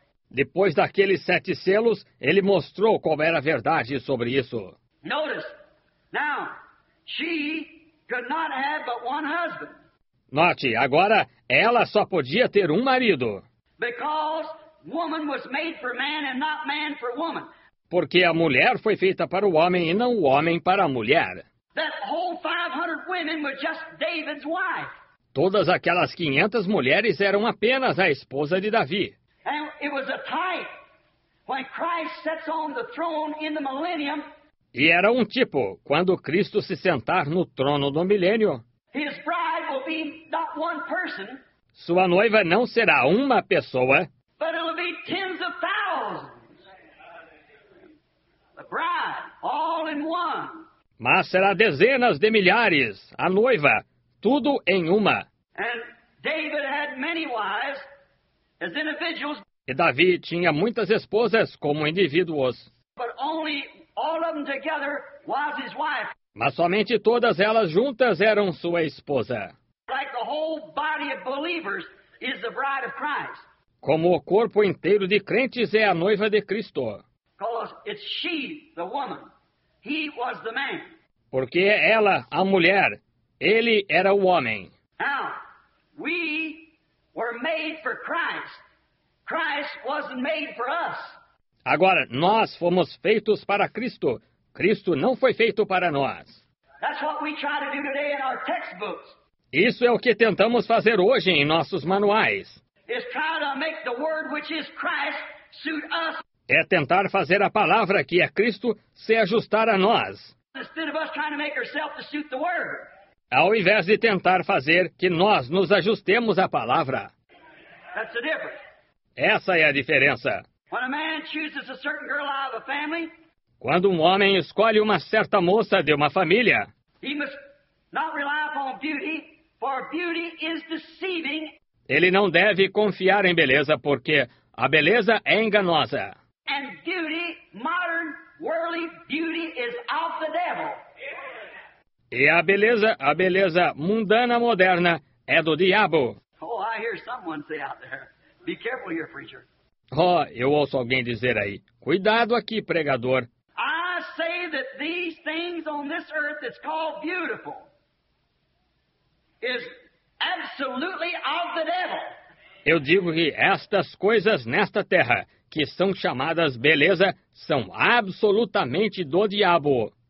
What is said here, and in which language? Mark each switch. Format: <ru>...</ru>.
<pt>Depois daqueles 7 selos, ele mostrou qual era a verdade sobre isso.</pt> <en>Notice, now, she could not have but one husband.</en> <pt>Note, agora, ela só podia ter um marido.</pt> <en>Because woman was made for man and not man for woman.</en> <pt>Porque a mulher foi feita para o homem e não o homem para a mulher.</pt> <en>That whole 500 women were just David's wife.</en> <pt>Todas aquelas 500 mulheres eram apenas a esposa de Davi.</pt> <en>And it was a type when Christ sits on the throne in the millennium.</en> <pt>E era um tipo, quando Cristo se sentar no trono do milênio,</pt> <en>his bride will be not one person,</en> <pt>sua noiva não será uma pessoa,</pt> <en>but it'll be tens of thousands. The bride, all in one.</en> <pt>Mas será dezenas de milhares, a noiva, tudo em uma.</pt> <en>And David had many wives as individuals,</en> <pt>e Davi tinha muitas esposas como indivíduos.</pt> <en>But only all of them together was his wife.</en> <pt>Mas somente todas elas juntas eram sua esposa.</pt> <en>Like the whole body of believers is the bride of Christ.</en> <pt>Como o corpo inteiro de crentes é a noiva de Cristo.</pt> <en>Because it's she, the woman. He was the man.</en> <pt>Porque é ela, a mulher. Ele era o homem.</pt> <en>Now, we were made for Christ. Christ wasn't made for us.</en> <pt>Agora, nós fomos feitos para Cristo. Cristo não foi feito para nós.</pt> <en>That's what we try to do today in our textbooks.</en> <pt>Isso é o que tentamos fazer hoje em nossos manuais.</pt> <en>Is try to make the word which is Christ suit us.</en> <pt>É tentar fazer a palavra que é Cristo se ajustar a nós.</pt> <en>Instead of us trying to make ourselves to suit the word.</en> <pt>Ao invés de tentar fazer que nós nos ajustemos à palavra.</pt> <en>That's the difference.</en> <pt>Essa é a diferença.</pt> <en>When a man chooses a certain girl out of a family,</en> <pt>quando um homem escolhe uma certa moça de uma família,</pt> <en>he must not rely upon beauty, for beauty is deceiving.</en> <pt>Ele não deve confiar em beleza, porque a beleza é enganosa.</pt> <en>And beauty, modern, worldly beauty is of the devil.</en> <pt>E a beleza mundana moderna é do diabo.</pt> <en>Oh, I hear someone say out there, be careful here, preacher.</en> <pt>Oh, eu ouço alguém dizer aí, cuidado aqui, pregador.</pt> <en>I say that these things on this earth that's called beautiful is absolutely of the devil.</en> <pt>Eu digo que estas coisas nesta terra, que são chamadas beleza, são absolutamente do diabo.</pt>